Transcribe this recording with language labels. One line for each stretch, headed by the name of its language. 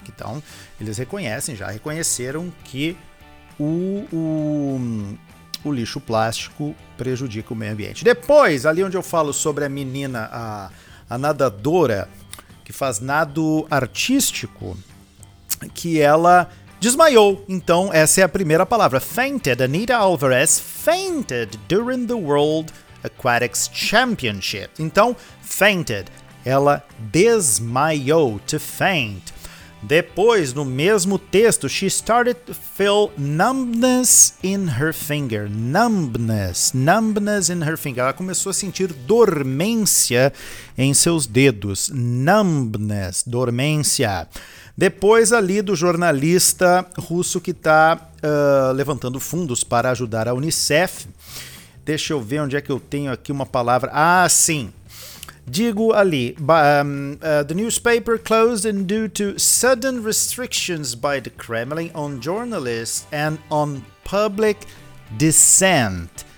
Portuguese: Então, eles reconhecem, já reconheceram que o lixo plástico prejudica o meio ambiente. Depois, ali onde eu falo sobre a menina, a nadadora, que faz nado artístico, que ela desmaiou. Então, essa é a primeira palavra.
English: Fainted. Anita Alvarez fainted during the World Aquatics Championship.
Portuguese: Então, fainted. Ela desmaiou.
English: To faint.
Portuguese: Depois, no mesmo texto,
English: she started to feel numbness in her finger. Numbness in her finger.
Portuguese: Ela começou a sentir dormência em seus dedos. Numbness, dormência. Depois ali do jornalista russo que está levantando fundos para ajudar a Unicef. Deixa eu ver onde é que eu tenho aqui uma palavra. Ah, sim. Digo ali,
English: the newspaper closed and due to sudden restrictions by the Kremlin on journalists and on public dissent.